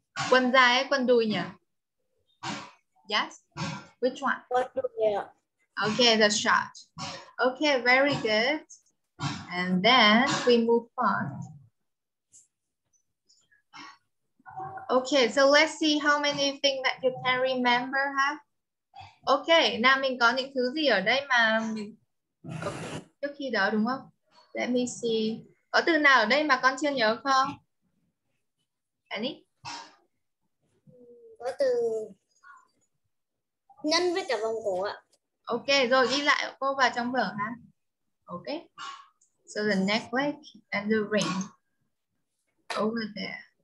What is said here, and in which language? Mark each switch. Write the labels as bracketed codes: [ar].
[vi] Quần dài, quần đùi nhỉ? Yes. [en] Which one? [vi] Quần đùi. [en] Okay, the shirt. Okay, very good. And then we move on. Okay, so let's see how many things that you can remember, huh? [vi] Okay, now mình có những thứ gì ở đây mà mình... Okay, trước khi đó đúng không? [en] Let me see. [vi] Có từ nào ở đây mà con chưa nhớ không? [en] Any? [vi] Có từ nhân với cả vòng cổ ạ. Okay, rồi ghi lại cô vào trong vở ha. Okay. [en] So the necklace and the ring over there.